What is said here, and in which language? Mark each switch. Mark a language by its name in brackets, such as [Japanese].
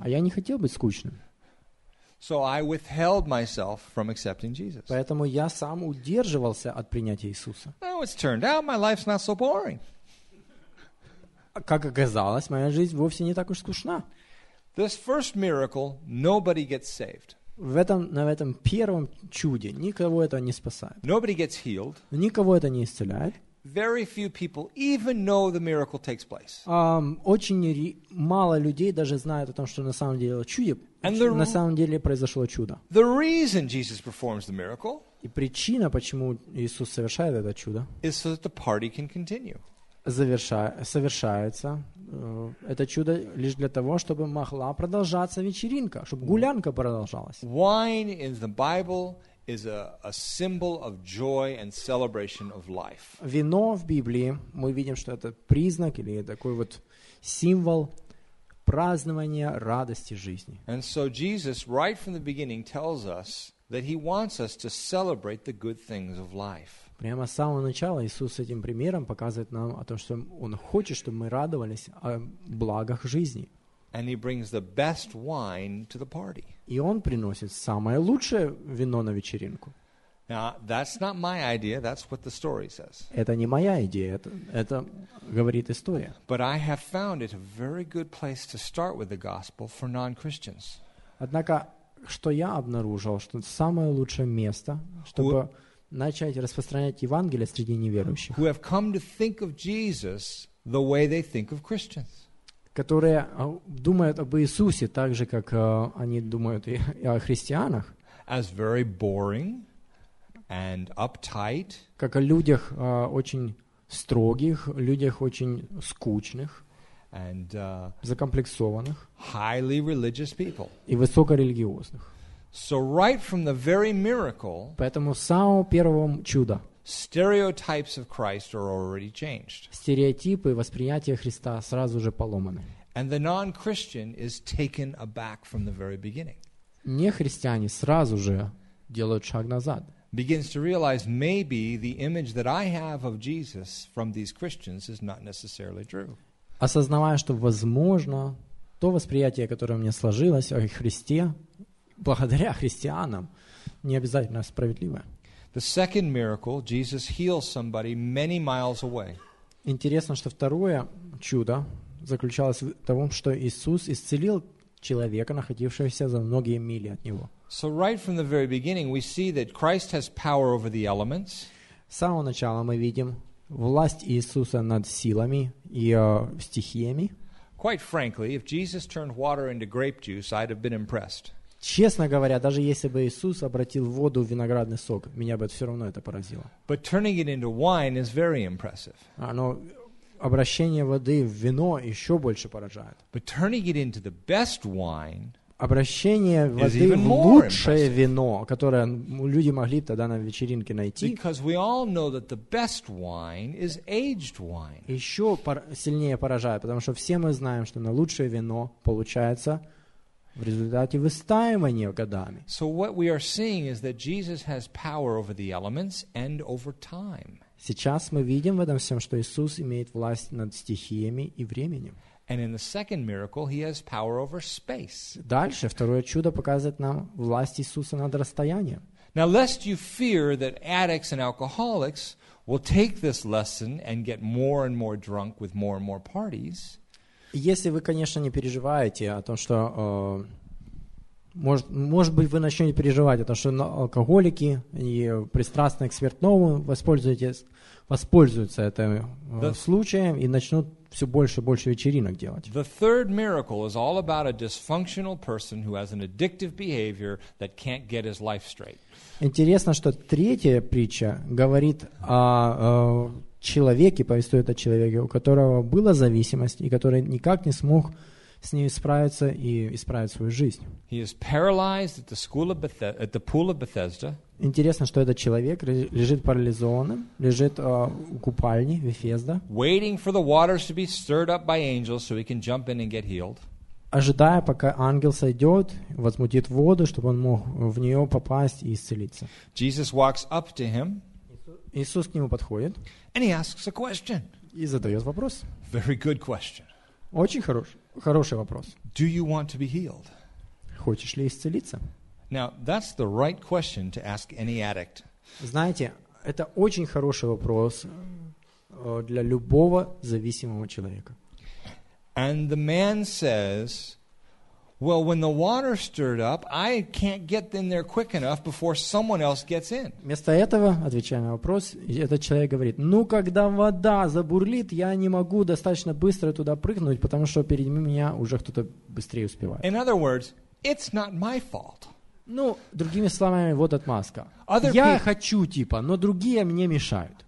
[Russian] А я не хотел быть скучным. [English] So I withheld myself from accepting Jesus. [Russian] Поэтому я сам удерживался от принятия Иисуса. [English] Now it's turned out my life's not so boring. [Russian] Как оказалось, моя жизнь вовсе не так уж скучна. [English] This first miracle, nobody gets saved. [Russian] В этом первом чуде никого это не спасает. [English] Nobody gets healed. [Russian] Никого это не исцеляет. [English] Very few people even know the miracle takes place. [Russian] Мало людей даже знают о том, что на самом деле произошло чудо. [English] The reason Jesus performs the miracle. [Russian] И причина, почему Иисус совершает это чудо. [English] Is so that the party can continue. [Russian] Совершается это чудо лишь для того, чтобы могла продолжаться вечеринка, чтобы гулянка продолжалась. [English] Wine in the Bible is a symbol of joy and celebration of life. [Russian] Вино в Библии, мы видим, что это признак или такой вот символ празднования радости жизни. [English] And so Jesus right from the beginning tells us that he wants us to celebrate the good things of life. [Russian] Прямо с самого начала Иисус этим примером показывает нам о том, что Он хочет, чтобы мы радовались о благах жизни. [English] And he brings the best wine to the party. [Russian] И Он приносит самое лучшее вино на вечеринку. [English] Now, that's not my idea, that's what the story says. [Russian] Это не моя идея, это говорит история. [English] But I have found it a very good place to start with the gospel for non-Christians. [Russian] Однако, что я обнаружил, что это самое лучшее место, чтобы начать распространять Евангелие среди неверующих, [English] who have come to think of Jesus the way they think of Christians, [Russian] которые думают об Иисусе так же, как они думают и о христианах, [English] as very boring and uptight, [Russian] как о людях очень строгих, людях очень скучных, [English] and, [Russian] закомплексованных, [English] highly religious people. [Russian] И высокорелигиозных. [English] So right from the very miracle, [Russian] поэтому с самого первого чуда [English] stereotypes of Christ are already changed. [Russian] Стереотипы восприятия Христа сразу же поломаны. [English] And the non-Christian is taken aback from the very beginning. [Russian] Нехристиане сразу же делают шаг назад. [English] Begins to realize maybe the image that I have of Jesus from these Christians is not necessarily true. [Russian] Осознавая, что возможно, то восприятие, которое мне сложилось о Христе благодаря христианам, не обязательно справедливое. [English] The second miracle, Jesus heals somebody many miles away. [Russian] Интересно, что второе чудо заключалось в том, что Иисус исцелил человека, находившегося за многие мили от него. [English] So right from the very beginning, we see that Christ has power over the elements. [Russian] С самого начала мы видим власть Иисуса над силами и стихиями. [English] Quite frankly, if Jesus turned water into grape juice, I'd have been impressed. [Russian] Честно говоря, даже если бы Иисус обратил воду в виноградный сок, меня бы все равно это поразило. [English] But turning it into wine is very impressive. [Russian] Но обращение воды в вино еще больше поражает. [English] But turning it into the best wine, [Russian] обращение воды в лучшее вино, которое люди могли тогда на вечеринке найти. [English] Because we all know that the best wine is aged wine. [Russian] Еще сильнее поражает, потому что все мы знаем, что на лучшее вино получается в результате выстаивания годами. [English] So what we are seeing is that Jesus has power over the elements and over time. [Russian] Сейчас мы видим в этом всем, что Иисус имеет власть над стихиями и временем. [English] And in the second miracle, he has power over space. [Russian] Дальше второе чудо показывает нам власть Иисуса над расстоянием. [English] Now, lest you fear that addicts and alcoholics will take this lesson and get more and more drunk with more and more parties. [Russian] Если вы, конечно, не переживаете о том, что может быть, вы начнете переживать о том, что алкоголики и пристрастные к спиртному воспользуются этим случаем и начнут все больше и больше вечеринок делать. [English] The third miracle is all about a dysfunctional person who has an addictive behavior that can't get his life straight. [Russian] Интересно, что третья притча говорит о человеке, у которого была зависимость и который никак не смог с ней справиться и исправить свою жизнь. [English] He is paralyzed at the school of at the pool of Bethesda. [Russian] Интересно, что этот человек лежит парализованным, лежит у купальни Вифезда, [English] waiting for the waters to be stirred up by angels so he can jump in and get healed. [Russian] Ожидая, пока ангел сойдет, возмутит воду, чтобы он мог в нее попасть и исцелиться. [English] Jesus walks up to him. [Russian] Иисус к нему подходит. [English] And he asks a question. [Russian] И задает вопрос. [English] Very good question. [Russian] Очень хороший вопрос. [English] Do you want to be healed? [Russian] Хочешь ли исцелиться? [English] Now, that's the right question to ask any addict. [Russian] Знаете, это очень хороший вопрос для любого зависимого человека. [English] And the man says, well, when the water stirred up, I can't get in there quick enough before someone else gets in. [Russian] Вместо этого, отвечая на вопрос, этот человек говорит, ну, когда вода забурлит, я не могу достаточно быстро туда прыгнуть, потому что перед меня уже кто-то быстрее успевает. [English] In other words, it's not my fault. [Russian] Ну, другими словами, вот отмазка. Я хочу, типа, но другие мне мешают.